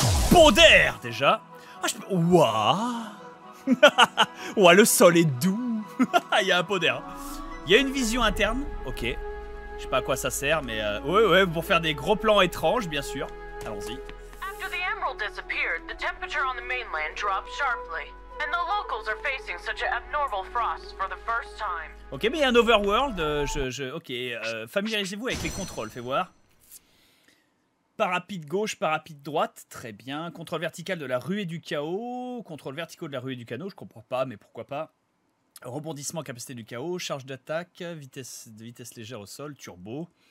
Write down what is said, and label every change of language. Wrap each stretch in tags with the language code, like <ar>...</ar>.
<fr>Bonder, déjà. Ah, je peux... Ouah. Ouah, le sol est doux. Il y a un bonder. Il y a une vision interne. Ok. Je sais pas à quoi ça sert, mais... ouais, ouais, pour faire des gros plans étranges, bien sûr. Allons-y.</fr> <en>After the emerald disappeared, the temperature on the mainland dropped sharply. And the locals are facing such an abnormal frost for the first time.</en> <fr>Ok, mais il y a un overworld, ok, familiarisez-vous avec les contrôles, fais voir. Parapide gauche, parapide droite, très bien. Contrôle vertical de la ruée du chaos, contrôle vertical de la ruée du canot, je comprends pas, mais pourquoi pas. Rebondissement, capacité du chaos, charge d'attaque, vitesse légère au sol, turbo.</fr>